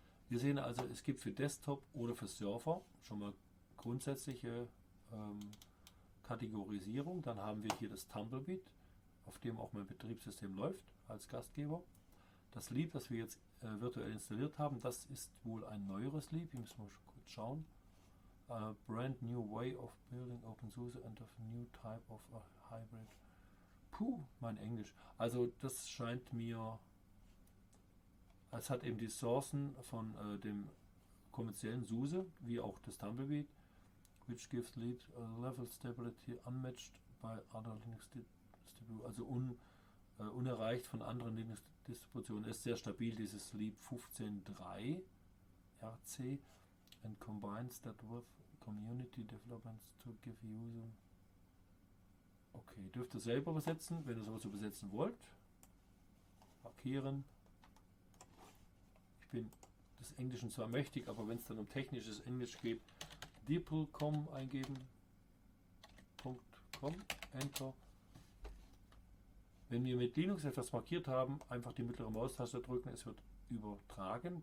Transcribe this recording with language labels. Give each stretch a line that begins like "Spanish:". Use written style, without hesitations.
German: Wir sehen also, es gibt für Desktop oder für Server schon mal grundsätzliche Kategorisierung. Dann haben wir hier das Tumbleweed, auf dem auch mein Betriebssystem läuft als Gastgeber. Das Lib, das wir jetzt virtuell installiert haben, das ist wohl ein neueres Lib. Hier müssen wir schon kurz schauen.
English: A brand new way of building OpenSUSE and of a new type of a hybrid.
German: Puh, mein Englisch. Also das scheint mir, es hat eben die Sourcen von dem kommerziellen SUSE, wie auch das Tumbleweed,
English: which gives Lib a level stability unmatched by other Linux Distributions,
German: also unerreicht von anderen Linux Distributionen. Es ist sehr stabil, dieses Lib 15.3 RC.
English: And combines that with community developments to give user.
German: Okay, dürft ihr selber übersetzen, wenn ihr sowas übersetzen wollt. Markieren. Ich bin des Englischen zwar mächtig, aber wenn es dann um technisches Englisch geht, deeple.com eingeben. .com, Enter. Wenn wir mit Linux etwas markiert haben, einfach die mittlere Maustaste drücken, es wird übertragen.